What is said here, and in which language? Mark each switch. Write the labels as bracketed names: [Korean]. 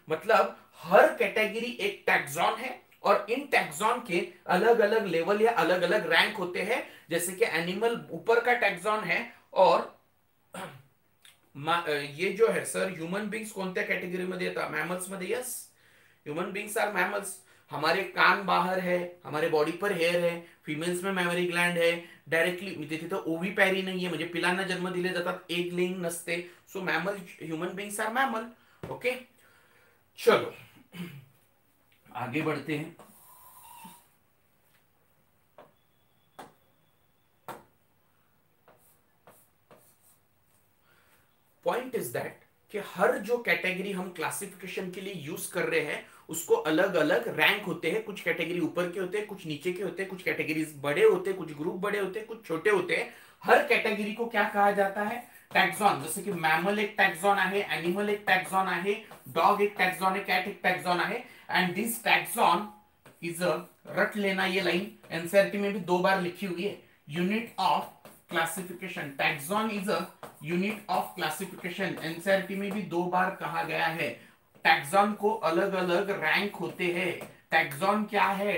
[Hindi] मतलब हर कैटेगरी एक टैक्सॉन है और इन टैक्सॉन के अलग अलग लेवल या अलग अलग रैंक होते हैं, जैसे कि एनिमल ऊपर का टैक्सॉन है और ये जो है सर ह्यूमन बींग्स कौन से कैटेगरी में देता? मैमल्स में। [English] yes, human beings are mammals, [Hindi] हमारे कान बाहर है, हमारे बॉडी पर हेयर है, फीमेल्स में मेमोरी ग्लैंड है, [Marathi] डायरेक्टली म्हणजे तिथं ओव्हीपॅरी नाहीये, म्हणजे पिलांना जन्म दिले जातात, एग लेईंग नसते. [English] So mammal, human beings are mammal. [Hindi] Okay चलो आगे बढ़ते हैं. पॉइंट इज दैट कि हर जो कैटेगरी हम क्लासिफिकेशन के लिए यूज कर रहे हैं उसको अलग अलग रैंक होते हैं. कुछ कैटेगरी ऊपर के होते हैं, कुछ नीचे के होते हैं, कुछ कैटेगरी बड़े होते हैं, कुछ ग्रुप बड़े होते हैं, कुछ छोटे होते हैं. हर कैटेगरी को क्या कहा जाता है? टैक्सॉन. जैसे कि मैमल एक टैक्सॉन आहे, एनिमल एक टैक्सॉन आहे, डॉग एक टैक्सॉन है, कैट एक टैक्सॉन आहे. [English] and this taxon is a, [Hindi] रट लेना ये लाइन, एनसीईआरटी में भी दो बार लिखी हुई है, [English] Unit of classification. Taxon is a unit of classification, [Hindi] NCERT में भी दो बार कहा गया है. टैक्सॉन को अलग अलग रैंक होते हैं. टैक्सॉन क्या है?